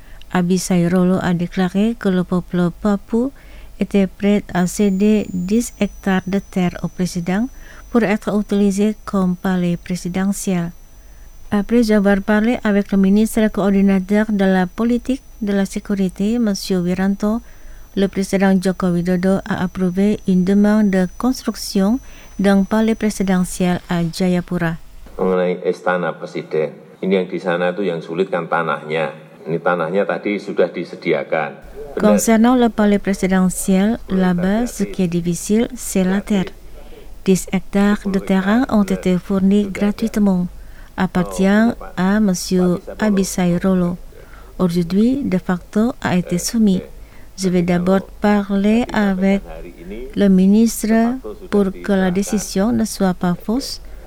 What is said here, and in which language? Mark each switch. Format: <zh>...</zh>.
<fr>Abisai Rolo a déclaré que le peuple papou était prêt à céder 10 hectares de terre au président pour être utilisé comme palais présidentiel. Après avoir parlé avec le ministre coordinateur de la politique de la sécurité, M. Wiranto, le président Joko Widodo a approuvé une demande de construction d'un palais présidentiel à Jayapura.</fr> <id>Mengenai istana presiden, ini yang di sana tuh yang sulit kan tanahnya. Ini tanahnya tadi sudah disediakan.</id> <fr>Concernant le palais présidentiel, là-bas, ce qui est difficile, c'est la terre. 10 hectares de terrain ont été fournis gratuitement, appartient à M. Abisai Rolo. Aujourd'hui, de facto, a été soumis. Je vais d'abord parler avec le ministre pour que la décision ne soit pas fausse.</fr>